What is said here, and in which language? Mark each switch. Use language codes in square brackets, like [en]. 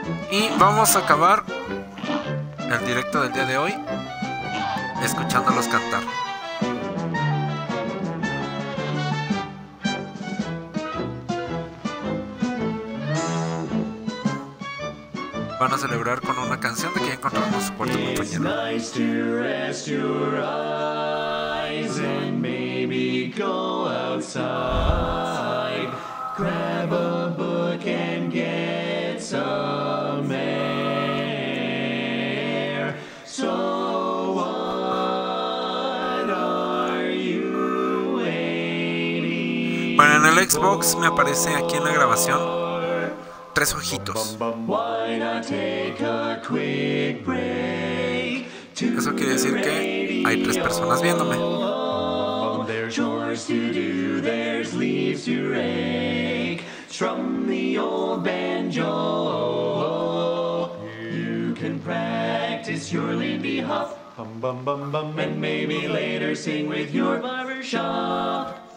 [es] Y vamos a acabar el directo del día de hoy escuchándolos cantar. Van a celebrar con una canción de que encontramos su cuarto compañero. [en] It's nice to rest your eyes and maybe go outside. Grab a book and get some air. So what are you waiting for? [es] Bueno, en el Xbox me aparece aquí en la grabación. Tres ojitos. [en] Why not take a quick break? [es] Eso quiere decir que hay tres personas viéndome. [en] There's chores to do, there's leaves to rake. Strum the old banjo. You can practice your Lindy Hop. And maybe later sing with your barbershop.